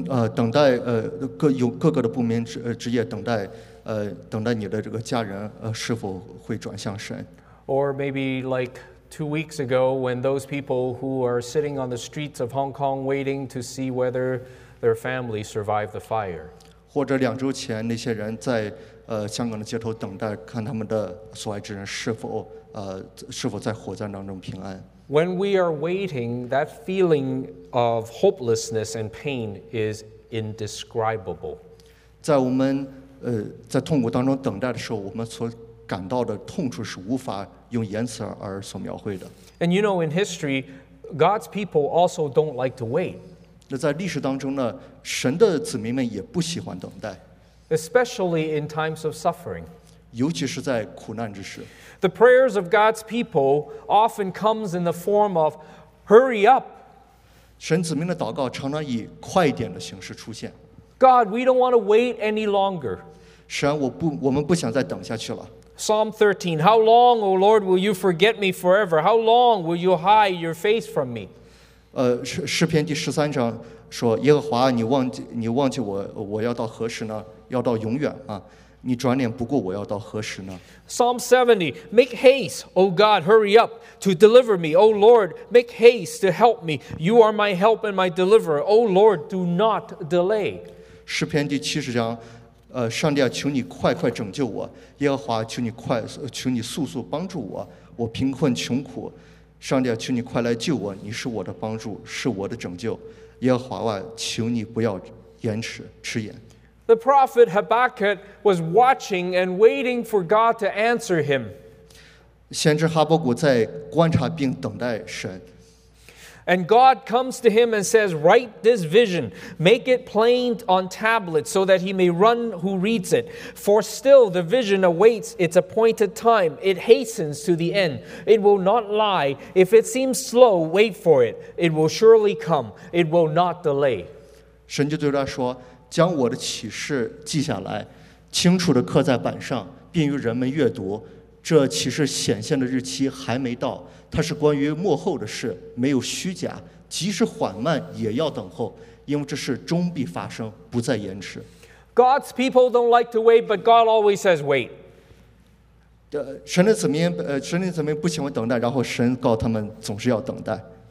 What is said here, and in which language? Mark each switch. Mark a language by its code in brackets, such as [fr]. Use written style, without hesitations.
[zh] 等待有各个的不眠之夜，等待你的这个家人是否会转向神。 [en] Or maybe like 2 weeks ago, when those people who are sitting on the streets of Hong Kong waiting to see whether their family survived the fire. [zh] 或者两周前那些人在香港的街头等待，看他们的所爱之人是否在火灾当中平安。 [en] When we are waiting, that feeling of hopelessness and pain is indescribable. [zh] 在我们在痛苦当中等待的时候，我们所感到的痛楚是无法用言辞而所描绘的。 [en] And you know, in history, God's people also don't like to wait. [zh] 在历史当中呢，神的子民们也不喜欢等待。 [en] Especially in times of suffering. [zh] 尤其是在苦难之时。 [en] The prayers of God's people often comes in the form of hurry up. [zh] 神子民的祷告常常以快点的形式出现。 [en] God, we don't want to wait any longer. [zh] 神，我们不想再等下去了。 [en] Psalm 13, How long, O Lord, will you forget me forever? How long will you hide your face from me? [zh] 诗篇第十三章说，耶和华，你忘记我，我要到何时呢？要到永远啊！你转脸不顾我要到何时呢？ [en] Psalm 70, Make haste, O God, hurry up to deliver me. O Lord, make haste to help me. You are my help and my deliverer. O Lord, do not delay. [zh] 诗篇第七十章，上帝啊，求你快快拯救我。耶和华，求你速速帮助我。我贫困穷苦。上帝啊，求你快来救我！你是我的帮助，是我的拯救。耶和华啊，求你不要延迟迟延。 [en] The prophet Habakkuk was watching and waiting for God to answer him. [zh] 先知哈巴谷在观察并等待神。 [en] And God comes to him and says, "Write this vision, make it plain on tablets, so that he may run who reads it. For still the vision awaits its appointed time; it hastens to the end. It will not lie. If it seems slow, wait for it. It will surely come. It will not delay." [zh] 神就对他说，将我的启示记下来，清楚地刻在板上，并与人们阅读。这启示显现的日期还没到，它是关于末后的事，没有虚假，即使缓慢也要等候，因为这事终必发生，不再延迟。 [en] God's people don't like to wait, but God always says wait. [zh] 神的子民不喜欢等待，然后神告他们总是要等待。